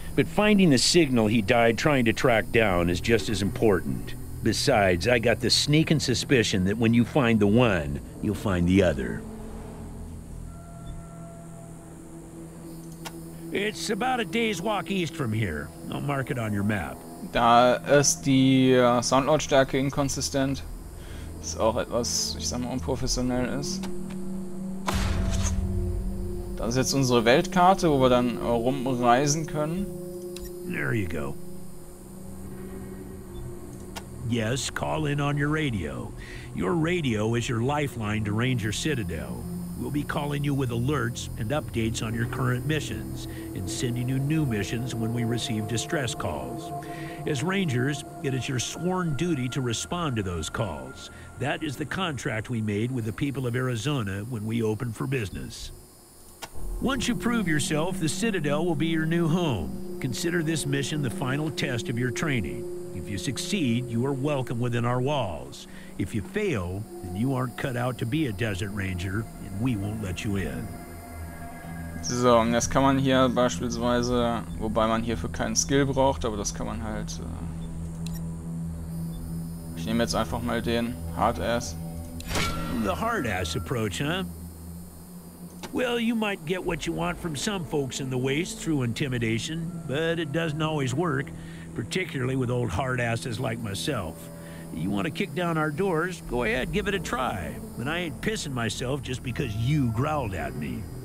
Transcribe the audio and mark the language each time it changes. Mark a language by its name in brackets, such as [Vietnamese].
[English] But finding the signal he died trying to track down is just as important. Besides, I got the sneaking suspicion that when you find the one, you'll find the other. It's about a day's walk east from here. I'll mark it on your map. [German] Da ist die Soundlautstärke inkonsistent. Das ist auch etwas, ich sag mal, unprofessionell ist. Das ist jetzt unsere Weltkarte, wo wir dann rumreisen können. [English] There you go. Yes, call in on your radio. Your radio is your lifeline to Ranger Citadel. We'll be calling you with alerts and updates on your current missions and sending you new missions when we receive distress calls. As Rangers, it is your sworn duty to respond to those calls. That is the contract we made with the people of Arizona when we opened for business. Once you prove yourself, the Citadel will be your new home. Consider this mission the final test of your training. If you succeed, you are welcome within our walls. If you fail, then you aren't cut out to be a Desert Ranger, and we won't let you in. [German] So, und das kann man hier beispielsweise, wobei man hierfür keinen Skill braucht, aber das kann man halt. Ich nehme jetzt einfach mal den Hard Ass. [English] the hard-ass approach, huh? Well, you might get what you want from some folks in the Waste through intimidation, but it doesn't always work, particularly with old hard-asses like myself. You want to kick down our doors? Go ahead, give it a try. And I ain't pissing myself just because you growled at me.